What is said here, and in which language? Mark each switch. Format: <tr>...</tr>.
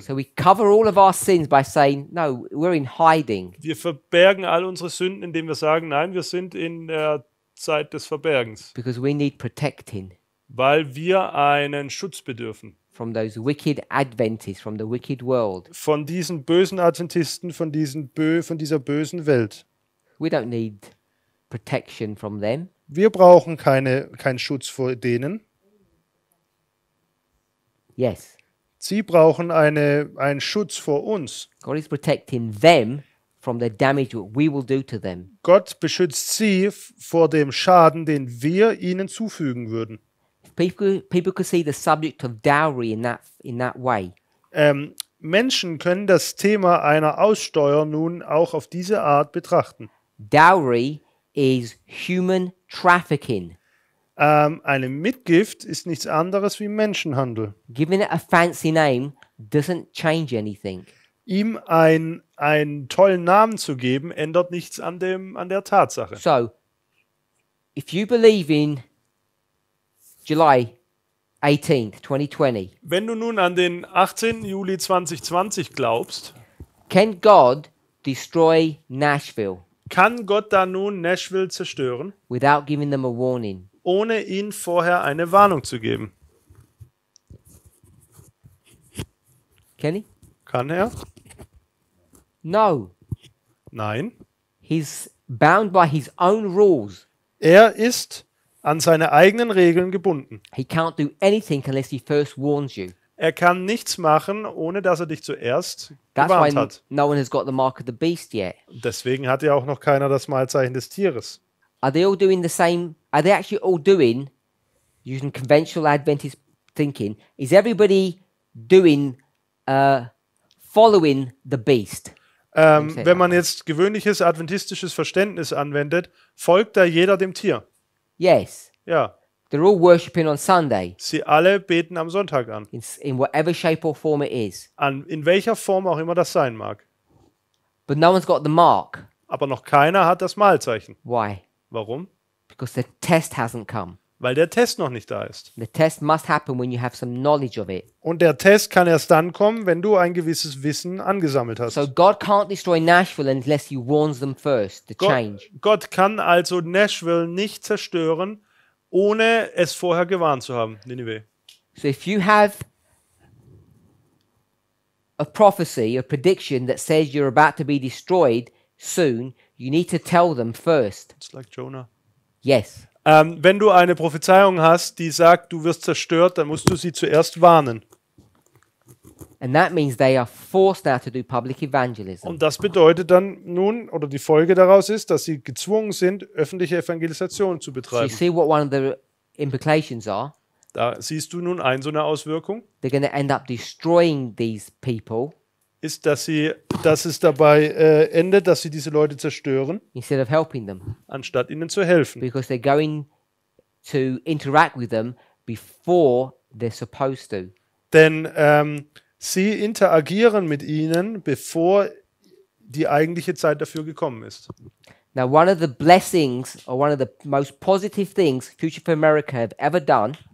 <en>So we cover all of our sins by saying, no, we're in hiding.</en> <de>Wir verbergen all unsere Sünden, indem wir sagen, nein, wir sind in der Zeit des Verbergens.</de> <en>Because we need protecting.</en> <de>Weil wir einen Schutz bedürfen.</de> <en>From those wicked Adventists, from the wicked world.</en> <de>Von diesen bösen Adventisten, von dieser bösen Welt.</de> <en>We don't need protection from them.</en> <de>Wir brauchen keinen Schutz vor denen.</de> <en>Yes.</en> <de>Sie brauchen einen Schutz vor uns.</de> <en>God is protecting them from the damage we will do to them.</en> <de>Gott beschützt sie vor dem Schaden, den wir ihnen zufügen würden.</de> <en>People could see the subject of dowry in that way.</en> <de>Menschen können das Thema einer Aussteuer nun auch auf diese Art betrachten.</de> <en>Dowry is human trafficking.</en> <de>Eine Mitgift ist nichts anderes wie Menschenhandel.</de> <en>Giving it a fancy name doesn't change anything.</en> <de>Ihm einen tollen Namen zu geben ändert nichts an der Tatsache.</de> <en>So, if you believe in July 18th, 2020.</en> <de>Wenn du nun an den 18. Juli 2020 glaubst,</de> <en>can God destroy Nashville?</en> <de>Kann Gott da nun Nashville zerstören?</de> <en>Without giving them a warning.</en> <de>Ohne ihnen vorher eine Warnung zu geben.</de> <en>Kenny?</en> <de>Kann er?</de> <en>No.</en> <de>Nein.</de> <en>He's bound by his own rules.</en> <de>Er ist an seine eigenen Regeln gebunden.</de> <en>He can't do anything unless he first warns you.</en> <de>Er kann nichts machen, ohne dass er dich zuerst gewarnt hat.</de> <en>No one has got the mark of the beast yet.</en> <de>Deswegen hat ja auch noch keiner das Malzeichen des Tieres.</de> <en>Are they all doing the same? Are they actually all doing, using conventional Adventist thinking, is everybody doing, following the beast?</en> <de>Wenn man jetzt gewöhnliches adventistisches Verständnis anwendet, folgt da jeder dem Tier?</de> <en>Yes.</en> <de>Ja.</de> <en>They're all worshiping on Sunday.</en> <de>Sie alle beten am Sonntag an.</de> <en>In whatever shape or form it is.</en> <de>In welcher Form auch immer das sein mag.</de> <en>But no one's got the mark.</en> <de>Aber noch keiner hat das Malzeichen.</de> <en>Why?</en> <de>Warum?</de> <en>Because the test hasn't come.</en> <de>Weil der Test noch nicht da ist.</de> <en>The test must happen when you have some knowledge of it.</en> <de>Und der Test kann erst dann kommen, wenn du ein gewisses Wissen angesammelt hast.</de> <en>So God can't destroy Nashville unless he warns them first, the change.</en> <de>Gott kann also Nashville nicht zerstören, ohne es vorher gewarnt zu haben, Nineveh.</de> <en>So if you have a prophecy, a prediction that says you're about to be destroyed soon, you need to tell them first. It's like Jonah. Yes.</en> <de>Wenn du eine Prophezeiung hast, die sagt, du wirst zerstört, dann musst du sie zuerst warnen.</de> <en>And that means they are forced now to do public evangelism.</en> <de>Und das bedeutet dann nun, oder die Folge daraus ist, dass sie gezwungen sind, öffentliche Evangelisation zu betreiben.</de> <en>So you see what one of the implications are.</en> <de>Da siehst du nun ein, so eine Auswirkung.</de> <en>They're going to end up destroying these people.</en> <de>Ist, dass es dabei endet, dass sie diese Leute zerstören,</de> <en>instead of helping them.</en> <de>Anstatt ihnen zu helfen.</de> <en>Because they're going to interact with them before they're supposed to.</en> <de>Denn sie interagieren mit ihnen, bevor die eigentliche Zeit dafür gekommen ist.</de> <en>Now one of the blessings or one of the most positive things Future for America have ever done.</en>